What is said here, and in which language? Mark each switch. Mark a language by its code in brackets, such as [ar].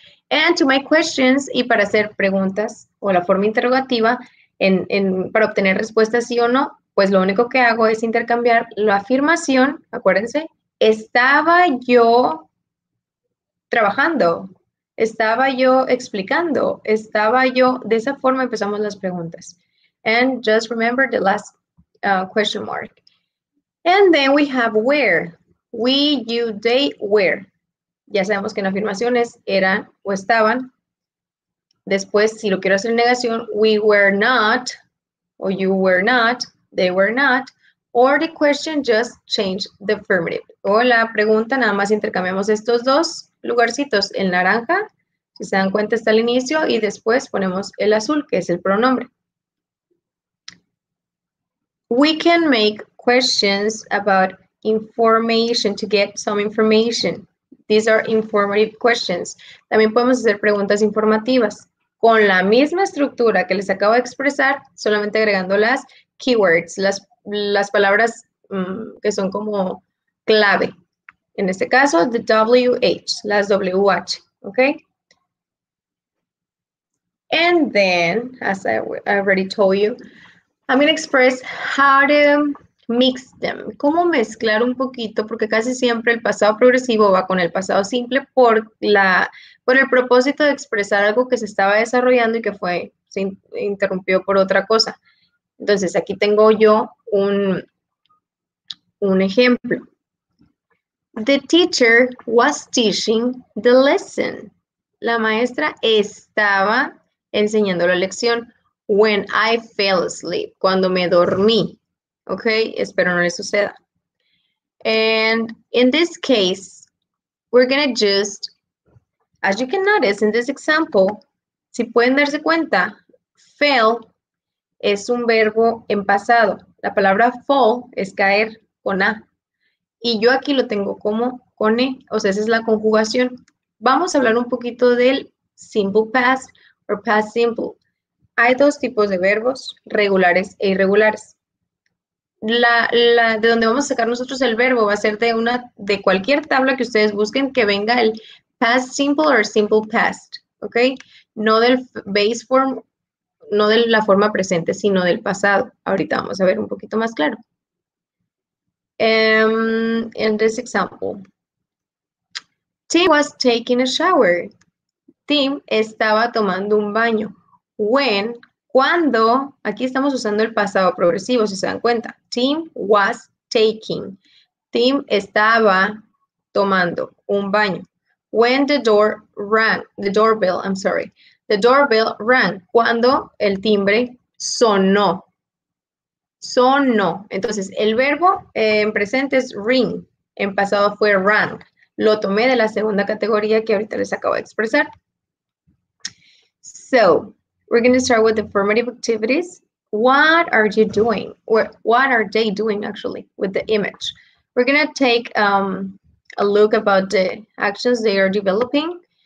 [en] And to make questions, [es] y para hacer preguntas o la forma interrogativa, para obtener respuestas sí o no, pues lo único que hago es intercambiar la afirmación, acuérdense, estaba yo trabajando, estaba yo explicando, estaba yo, de esa forma empezamos las preguntas. [en] And just remember the last question mark. And then we have where, we, you, they, where. [es] Ya sabemos que en afirmaciones eran o estaban. Después, si lo quiero hacer en negación, [en] we were not, o you were not, they were not, or the question just changed the affirmative. [es] O la pregunta, nada más intercambiamos estos dos lugarcitos, el naranja, si se dan cuenta está al inicio, y después ponemos el azul, que es el pronombre. [en] We can make questions about information to get some information. These are informative questions. [es] También podemos hacer preguntas informativas con la misma estructura que les acabo de expresar, solamente agregando las keywords, las palabras que son como clave. En este caso, the WH, las WH, okay? [en] And then, as I already told you, I'm going to express how to mix them. [es] ¿Cómo mezclar un poquito? Porque casi siempre el pasado progresivo va con el pasado simple por el propósito de expresar algo que se estaba desarrollando y que fue, se interrumpió por otra cosa. Entonces, aquí tengo yo un ejemplo. [en] The teacher was teaching the lesson. [es] La maestra estaba enseñando la lección. [en] When I fell asleep, [es] cuando me dormí. [en] Okay, [es] espero no le suceda. [en] And in this case, we're going to just, as you can notice in this example, [es] si pueden darse cuenta, fell es un verbo en pasado. La palabra fall es caer con A. Y yo aquí lo tengo como con E, o sea, esa es la conjugación. Vamos a hablar un poquito del simple past o past simple. Hay dos tipos de verbos, regulares e irregulares. De donde vamos a sacar nosotros el verbo va a ser de cualquier tabla que ustedes busquen que venga el past simple or simple past, ¿ok? No del base form, no de la forma presente, sino del pasado. Ahorita vamos a ver un poquito más claro. [en] In this example, Tim was taking a shower. [es] Tim estaba tomando un baño. [en] When, [es] cuando, aquí estamos usando el pasado progresivo, si se dan cuenta. [en] Tim was taking. [es] Tim estaba tomando un baño. [en] When the door rang, the doorbell, I'm sorry. The doorbell rang. [es] Cuando el timbre sonó. Sonó. Entonces, el verbo en presente es ring. En pasado fue rang. Lo tomé de la segunda categoría que ahorita les acabo de expresar. [en] So, we're going to start with the formative activities. What are you doing? Or what are they doing, actually, with the image? We're going to take a look about the actions they are developing.